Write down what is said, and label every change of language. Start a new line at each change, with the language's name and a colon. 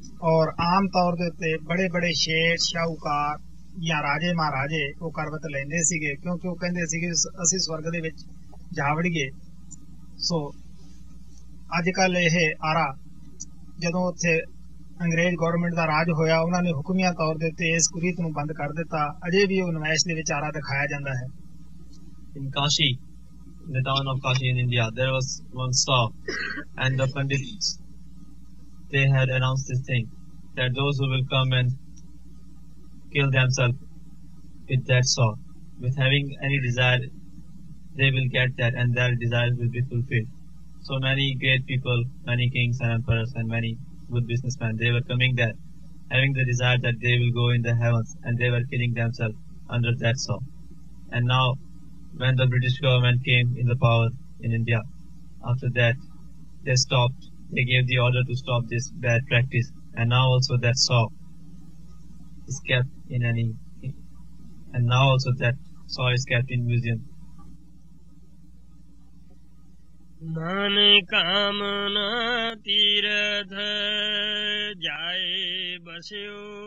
Punjabi: ਔਰ ਆਮ ਤੌਰ ਦੇ ਉੱਤੇ ਬੜੇ ਬੜੇ ਸ਼ੇਰ ਸ਼ਾਹੂਕਾਰ ਜਾਂ ਰਾਜੇ ਮਹਾਰਾਜੇ ਉਹ ਕਰਵਤ ਲੈਂਦੇ ਸੀਗੇ, ਕਿਉਂਕਿ ਉਹ ਕਹਿੰਦੇ ਸੀਗੇ ਅਸੀਂ ਸਵਰਗ ਦੇ ਵਿੱਚ ਜਾਵੜੀਏ। ਸੋ ਅੱਜ ਕੱਲ ਇਹ ਆਰਾ ਜਦੋਂ ਉੱਥੇ ਅੰਗਰੇਜ਼ ਗੌਰਮੈਂਟ ਦਾ ਰਾਜ ਹੋਇਆ ਉਹਨਾਂ ਨੇ ਹੁਕਮੀਆ ਤੌਰ ਦੇ ਉੱਤੇ ਇਸ ਕੁਰੀਤ ਨੂੰ ਬੰਦ ਕਰ ਦਿੱਤਾ, ਅਜੇ ਵੀ ਉਹ ਨਿਮੈਸ਼ ਦੇ ਵਿੱਚ ਆਰਾ ਦਿਖਾਇਆ ਜਾਂਦਾ ਹੈ।
English: In the town of Kashi in India, there was one stop, and the pandits, they had announced this thing, that those who will come and kill themselves with that sword, with having any desire, they will get that, and their desires will be fulfilled. So many great people, many kings and emperors, and many good businessmen, they were coming there, having the desire that they will go in the heavens, and they were killing themselves under that sword. And now, when the British government came in the power in India, after that they stopped, they gave the order to stop this bad practice, and now also that saw is kept in any, and now also that saw is kept in museum.
Punjabi: Man kamna tirath jaye basyo